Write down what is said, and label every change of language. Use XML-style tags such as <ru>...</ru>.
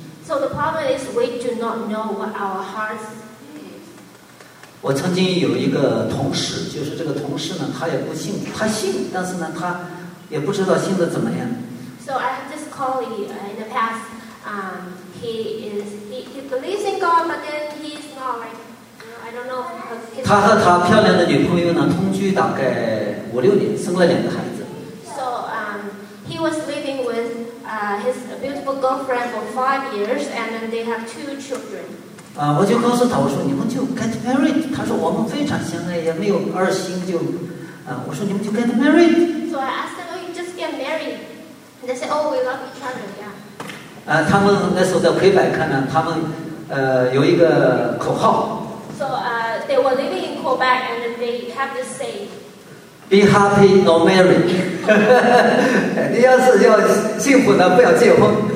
<en>So the problem is we do not know what our hearts.</en> <zh>我曾经有一个同事，就是这个同事呢，他也不信，他信，但是呢，他也不知道信的怎么样。</zh> <en>So I have this colleague in the past. He believes in God, but then he's not like I don't know.</en> <zh>他和他漂亮的女朋友呢，同居大概五六年，生了两个孩子。</zh> <en>So he was living with his beautiful girlfriend for 5 years, and then they have 2 children.</en> <zh>我就告诉他，我说你们就</zh> <en>get married。</en> <zh>他说我们非常相爱，也没有二心，就，我说你们就 get married。</zh> <en>So I asked them, "Oh, you just get married?" They said, "Oh, we love each other, yeah."</en> <zh>他们那时候在魁北克呢，他们有一个口号。</zh> <en>So they were living in Quebec and they have this saying. Be happy, no marry.</en> <zh>你要是要幸福呢，不要结婚。</zh>